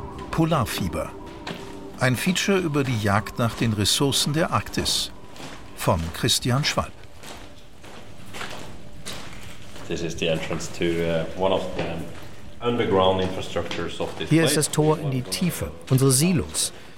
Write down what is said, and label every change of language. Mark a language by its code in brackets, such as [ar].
[de] Polarfieber. Ein Feature über die Jagd nach den Ressourcen der Arktis. Von Christian Schwalb. [en] This is the entrance to one of the underground infrastructures of this place. [de] Hier ist das Tor in die Tiefe, unsere Silos.